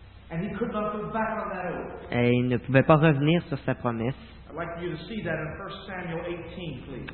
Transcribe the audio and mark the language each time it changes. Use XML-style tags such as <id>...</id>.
<en>And he could not go back on that oath.</en> <fr>Et il ne pouvait pas revenir sur sa promesse.</fr> <en>I'd like you to see that in 1 Samuel 18, please.</en>